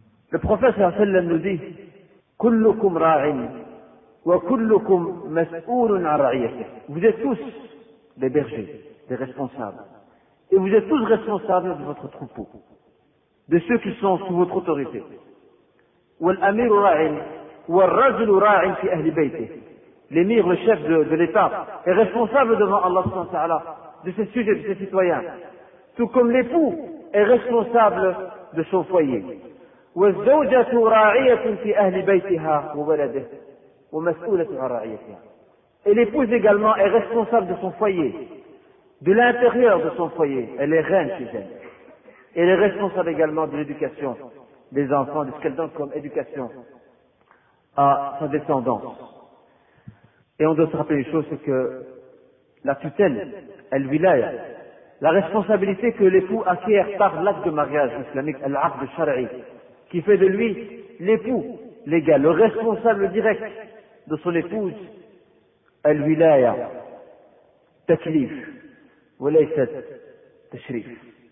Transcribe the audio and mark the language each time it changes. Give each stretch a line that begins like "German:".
French: Le prophète, sallallahu alayhi wa sallam, nous dit, « Kullukum ra'in, wa kullukum mas'ulun an ra'iyatih. » Vous êtes tous des bergers, des responsables. Et vous êtes tous responsables de votre troupeau, de ceux qui sont sous votre autorité.
Arabic: « Wal amiru ra'in, والرجل راع في أهل بيته.
French: L'émir, le chef de l'État, est responsable devant Allah subhanahu wa ta'ala de ses sujets, de ses citoyens. Tout comme l'époux est responsable de son foyer.
Arabic: والزوجة راعية في أهل بيتها وولده ومسؤولة عن رعيتها.
French: Et l'épouse également est responsable de son foyer, de l'intérieur de son foyer. Elle est reine chez elle. Elle est responsable également de l'éducation des enfants, de ce qu'elle donne comme éducation à sa descendance. Et on doit se rappeler une chose, c'est que la tutelle, elle wilaya, la responsabilité que l'époux acquiert par l'acte de mariage islamique, l'acte shar'i, qui fait de lui l'époux légal, le responsable direct de son épouse, elle wilaya, taklif, walaysat, tashrif.